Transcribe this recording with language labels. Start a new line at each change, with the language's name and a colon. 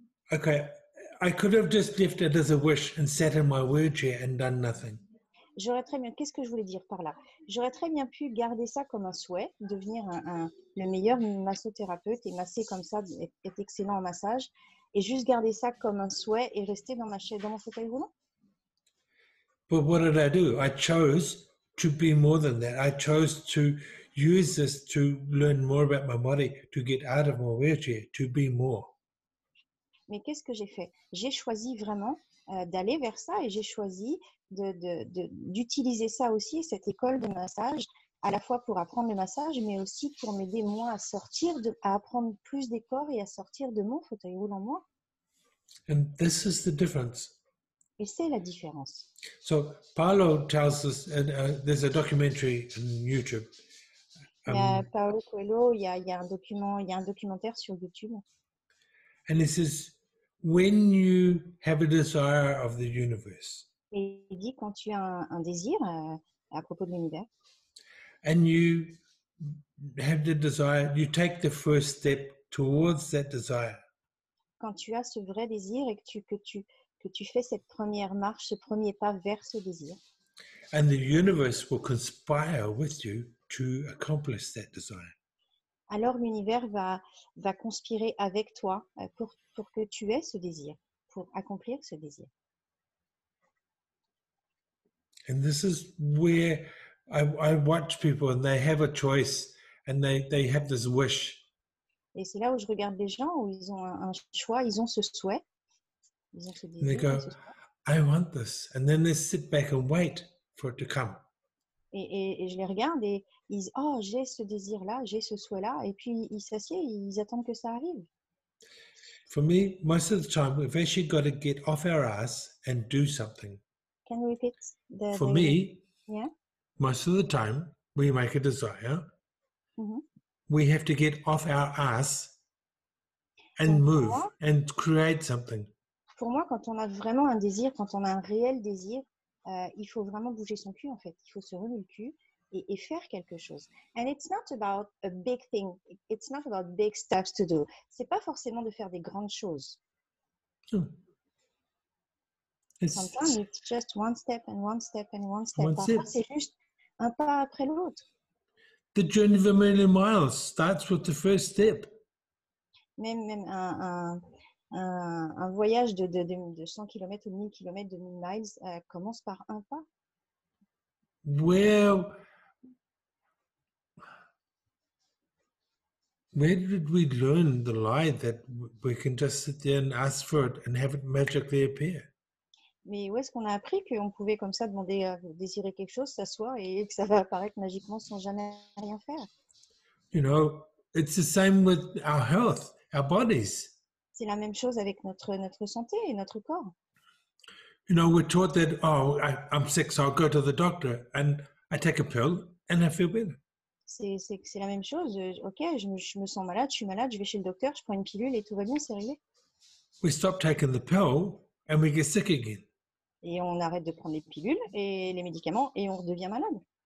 English: Okay, I could have just left it as a wish and sat in my wheelchair and done nothing.
French: J'aurais très bien. Qu'est-ce que je voulais dire par là? J'aurais très bien pu garder ça comme un souhait, devenir le meilleur massothérapeute et masser comme ça, être excellent en massage, et juste garder ça comme un souhait et rester dans ma chaise, dans mon fauteuil roulant.
English: But what did I do? I chose to be more than that. I chose to use this to learn more about my body, to get out of my wheelchair, to be more.
French: Mais qu'est-ce que j'ai fait? J'ai choisi vraiment d'aller vers ça et j'ai choisi d'utiliser ça aussi, cette école de massage, à la fois pour apprendre le massage, mais aussi pour m'aider moi à sortir, à apprendre plus des corps et à sortir de mon fauteuil roulant moi.
English: And this is the difference.
French: Et c'est la différence.
English: So, Paulo tells us, there's a documentary on YouTube.
French: Paulo Coelho, il y a un documentaire sur YouTube.
English: And this is when you have a desire of the universe.
French: Et il dit quand tu as un désir à propos de l'univers.
English: And you have the desire, you take the first step towards that desire.
French: Quand tu as ce vrai désir et que tu fais cette première marche, ce premier pas vers ce désir.
English: And the universe will conspire with you to accomplish that desire.
French: Alors l'univers va conspirer avec toi pour que tu aies ce désir, pour accomplir ce désir.
English: And this is where I watch people and they have a choice and they have this wish.
French: Et c'est là où je regarde les gens où ils ont un choix, ils ont ce souhait. Ils ont ce désir.
English: And they go, I want this. And then they sit back and wait for it to come.
French: Et je les regarde et ils disent, oh, j'ai ce désir-là, j'ai ce souhait-là. Et puis, ils s'assiedent et ils attendent que ça arrive.
English: For me, most of the time, we've actually got to get off our ass and do something. Can we repeat the For me, yeah? Most of the time, we make a desire. Mm-hmm. We have to get off our ass and move and create something.
French: Pour moi, quand on a vraiment un désir, quand on a un réel désir, il faut vraiment bouger son cul, en fait. Il faut se remuer le cul et faire quelque chose.
English: And it's not about a big thing. It's not about big stuff to do.
French: C'est pas forcément de faire des grandes choses.
English: Sometimes it's just one step and one step and one step.
French: Parfois, c'est juste un pas après l'autre.
English: The journey of a million miles starts with the first step.
French: Même un voyage de 100 km ou 1000 km, 2000 miles commence par un pas.
English: Where did we learn the lie that we can just sit there and ask for it and have it magically appear?
French: Mais où est-ce qu'on a appris qu'on pouvait comme ça demander à désirer quelque chose, s'asseoir et que ça va apparaître magiquement sans jamais rien faire?
English: You know, it's the same with our health, our bodies.
French: C'est la même chose avec notre santé et notre corps.
English: You know, we're taught that, I'm sick, so I'll go to the doctor and I take a pill and I feel better.
French: C'est la même chose. Ok, je me sens malade, je suis malade, je vais chez le docteur, je prends une pilule et tout va bien, c'est réglé.
English: We stop taking the pill and we get sick again.
French: Et on arrête de prendre les pilules et les médicaments et on redevient malade.